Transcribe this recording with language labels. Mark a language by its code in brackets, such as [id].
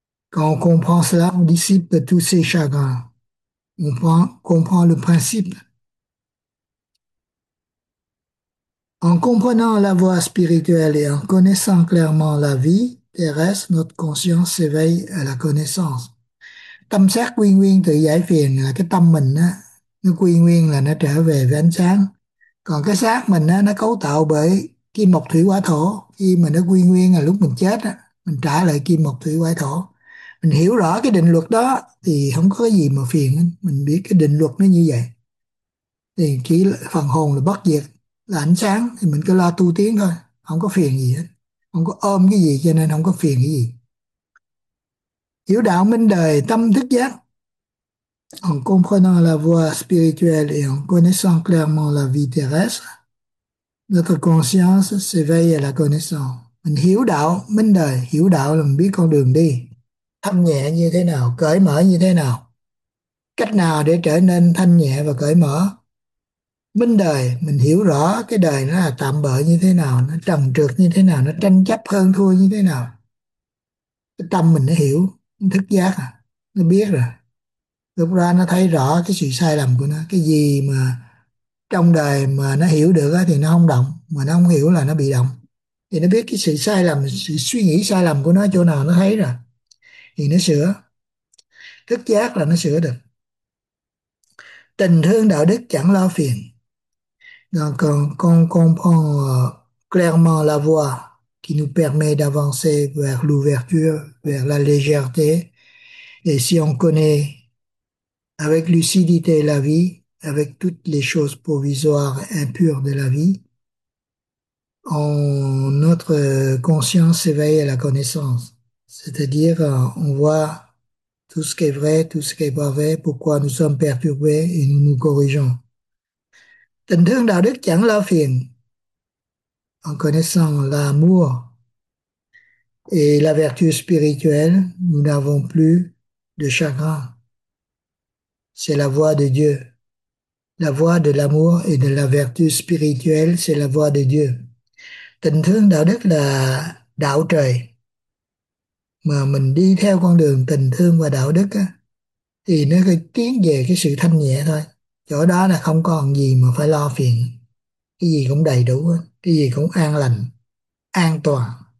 [fr] Quand on comprend cela, on dissipe tous ces chagrins. On comprend le principe. En comprenant la voie spirituelle et en connaissant clairement la vie terrestre, notre conscience s'éveille à la connaissance. [vi] Tâm giác quy nguyên tự giải phiền là cái tâm mình á, nó quy nguyên là nó trở về với ánh sáng. Còn cái xác mình nó cấu tạo bởi kim mộc thủy hỏa thổ, khi mà nó quy nguyên là lúc mình chết á, mình trả lại kim mộc thủy hỏa thổ. Mình hiểu rõ cái định luật đó thì không có cái gì mà phiền, mình biết cái định luật nó như vậy. Thì chỉ phần hồn là bất diệt, là ánh sáng, thì mình cứ lo tu tiến thôi, không có phiền gì hết. Không có ôm cái gì cho nên không có phiền cái gì. Hiểu đạo minh đời tâm thức giác. [fr] En comprenant la voie spirituelle et en connaissant clairement la vie terrestre, notre conscience s'éveille à la connaissance. [vi] Mình hiểu đạo, minh đời, hiểu đạo là mình biết con đường đi. Thanh nhẹ như thế nào, cởi mở như thế nào. Cách nào để trở nên thanh nhẹ và cởi mở. Minh đời, mình hiểu rõ cái đời nó là tạm bợ như thế nào, nó trần trược như thế nào, nó tranh chấp hơn thua như thế nào. Cái tâm mình nó hiểu, nó thức giác à, nó biết rồi. Lúc ra nó thấy rõ cái sự sai lầm của nó. Cái gì mà trong đời mà nó hiểu được á, thì nó không động. Mà nó không hiểu là nó bị động. Thì nó biết cái sự sai lầm, sự suy nghĩ sai lầm của nó chỗ nào nó thấy rồi. Thì nó sửa. Thức giác là nó sửa được. Tình thương đạo đức chẳng lo phiền. [fr] Donc, con comprend clairement la voie qui nous permet d'avancer vers l'ouverture, vers la légèreté. Et si on connaît avec lucidité la vie, avec toutes les choses provisoires impures de la vie, notre conscience s'éveille à la connaissance. C'est-à-dire, on voit tout ce qui est vrai, tout ce qui est pas vrai, pourquoi nous sommes perturbés et nous nous corrigeons. [vi] Tình thương đạo đức chẳng lo phiền. [fr] En connaissant l'amour et la vertu spirituelle, nous n'avons plus de chagrin. C'est la voie de Dieu. La voie de l'amour et de la vertu spirituelle, c'est la voie de Dieu. [vi] Tình thương đạo đức là đạo trời. Mà mình đi theo con đường tình thương và đạo đức á, thì nó cứ tiến về cái sự thanh nhẹ thôi. Chỗ đó là không còn gì mà phải lo phiền. Cái gì cũng đầy đủ, cái gì cũng an lành, an toàn.